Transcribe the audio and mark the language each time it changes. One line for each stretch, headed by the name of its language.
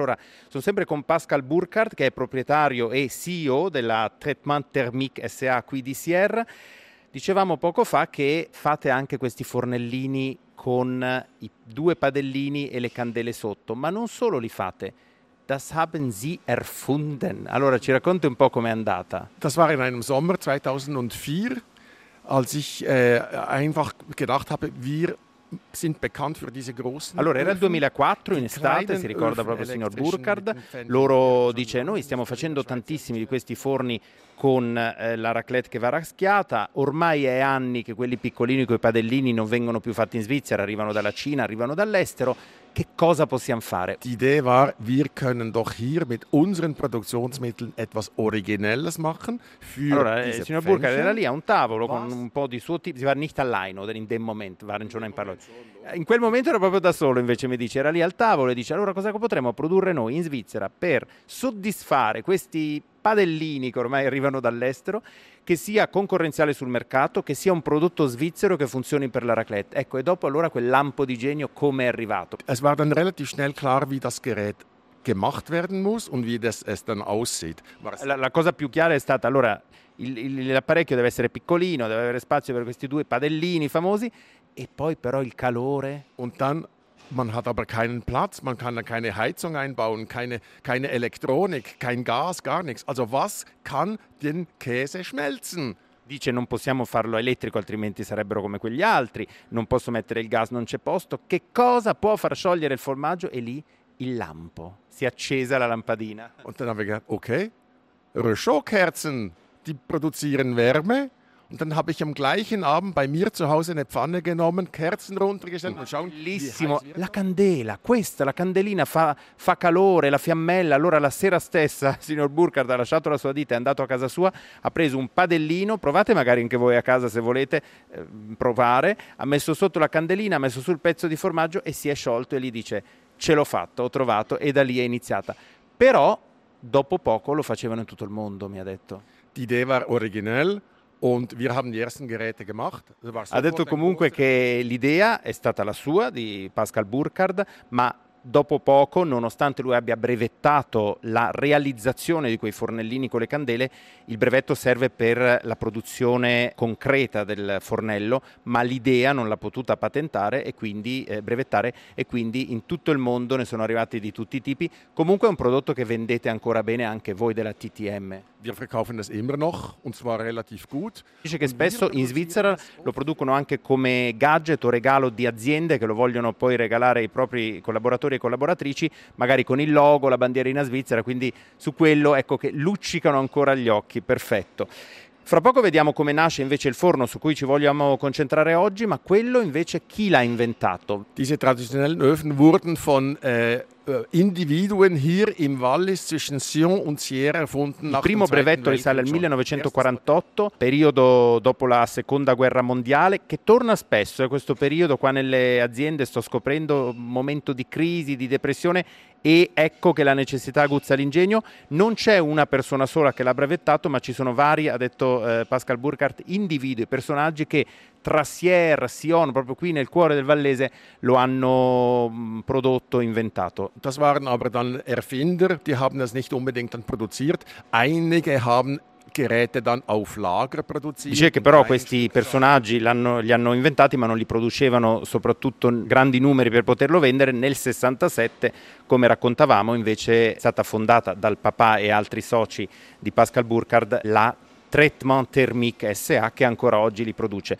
Italian: Allora, sono sempre con Pascal Burkhardt, che è proprietario e CEO della Traitement Thermique SA qui di Sierre. Dicevamo poco fa che fate anche questi fornellini con i due padellini e le candele sotto, ma non solo li fate.
German: Das haben Sie erfunden.
Italian: Allora, ci racconti un po' com'è andata.
German: Das war in einem Sommer 2004, als ich einfach gedacht habe, wir sind bekannt für diese großen.
Italian: Allora, era il 2004, in estate, si ricorda proprio il signor Burkhardt. Loro dice, noi stiamo facendo tantissimi di questi forni con la raclette che va raschiata, ormai è anni che quelli piccolini, quei padellini non vengono più fatti in Svizzera, arrivano dalla Cina, arrivano dall'estero, che cosa possiamo fare? L'idea era,
German: wir können doch hier mit unseren Produktionsmitteln etwas Originelles machen.
Italian: Allora, il signor Burkhardt era lì a un tavolo con un po' di suo tipo, si va
German: nicht allein, oder in dem Moment, waren schon ein paar Leute.
Italian: In quel momento era proprio da solo, invece mi dice, era lì al tavolo e dice, allora cosa potremmo produrre noi in Svizzera per soddisfare questi padellini che ormai arrivano dall'estero, che sia concorrenziale sul mercato, che sia un prodotto svizzero che funzioni per la raclette. Ecco, e dopo allora quel lampo di genio come è arrivato?
German: Es war dann relativ schnell klar, wie das Gerät gemacht werden muss und wie das es dann aussieht.
Italian: La cosa più chiara è stata, allora, l'apparecchio deve essere piccolino, deve avere spazio per questi due padellini famosi, e poi però il calore.
German: Und dann man hat aber keinen Platz, man kann keine Heizung einbauen, keine Elektronik, kein Gas, gar nichts. Also was kann den Käse schmelzen?
Italian: Dice non possiamo farlo elettrico, altrimenti sarebbero come quegli altri, non posso mettere il gas, non c'è posto. Che cosa può far sciogliere il formaggio? E lì il lampo, si è accesa la lampadina.
German: Und dann habe ich gedacht, okay, Röschokerzen, die produzieren Wärme. Und dann habe ich am gleichen Abend bei mir zu Hause eine Pfanne genommen, Kerzen runtergestellt und schauen.
Italian: Bellissimo, la candela, questa, la candelina fa calore, la fiammella. Allora la sera stessa, signor Burkhardt ha lasciato la sua ditta, è andato a casa sua, ha preso un padellino, provate magari anche voi a casa se volete provare, ha messo sotto la candelina, ha messo sul pezzo di formaggio e si è sciolto e gli dice, ce l'ho fatto, ho trovato, e da lì è iniziata. Però dopo poco lo facevano in tutto il mondo, mi ha detto. L'idea era originale.
German: Und wir haben die ersten Geräte gemacht.
Italian: Ha detto comunque che l'idea è stata la sua, di Pascal Burkhardt, ma dopo poco, nonostante lui abbia brevettato la realizzazione di quei fornellini con le candele, il brevetto serve per la produzione concreta del fornello, ma l'idea non l'ha potuta patentare e quindi brevettare, e quindi in tutto il mondo ne sono arrivati di tutti i tipi. Comunque è un prodotto che vendete ancora bene anche voi della TTM.
German: Wir verkaufen es immer noch und zwar relativ gut.
Italian: Dice che spesso in Svizzera lo producono anche come gadget o regalo di aziende che lo vogliono poi regalare ai propri collaboratori e collaboratrici, magari con il logo, la bandierina svizzera, quindi su quello ecco che luccicano ancora gli occhi, perfetto. Fra poco vediamo come nasce invece il forno su cui ci vogliamo concentrare oggi, ma quello invece chi l'ha inventato?
German: Diese traditionellen Öfen wurden von Individuen hier im Wallis zwischen Sion und Sierre erfunden.
Italian: Il primo brevetto risale al 1948, periodo dopo la Seconda Guerra Mondiale, che torna spesso, è questo periodo qua nelle aziende, sto scoprendo, momento di crisi, di depressione, e ecco che la necessità aguzza l'ingegno. Non c'è una persona sola che l'ha brevettato, ma ci sono vari, ha detto Pascal Burkhardt, individui, personaggi che tra Sierre, Sion, proprio qui nel cuore del Vallese, lo hanno prodotto, inventato.
German: Das waren aber dann Erfinder, die haben es nicht unbedingt dann produziert. Einige haben Geräte dann auf Lager produziert.
Italian: Dice che però questi personaggi li hanno inventati, ma non li producevano soprattutto grandi numeri per poterlo vendere. Nel 67, come raccontavamo, invece è stata fondata dal papà e altri soci di Pascal Burkhardt la Traitement Thermique SA, che ancora oggi li produce.